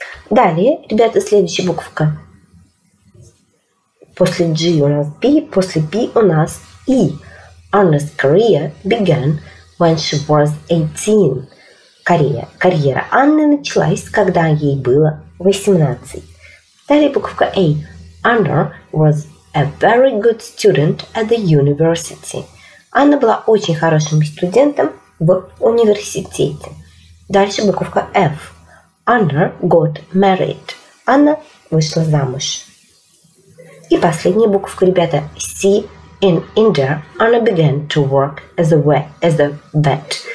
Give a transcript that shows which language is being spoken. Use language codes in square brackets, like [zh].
[ru] Далее, ребята, следующая буковка. После G у нас B, после B у нас E. [en] Anna's career began when she was 18. [ru] Карьера Анны началась, когда ей было 18. Далее, буковка A. [en] Anna was a very good student at the university. [ru] Анна была очень хорошим студентом в университете. Дальше буковка F. [en] Anna got married. [ru] Анна вышла замуж. И последняя буковка, ребята, C. [en] In India, Anna began to work as a vet.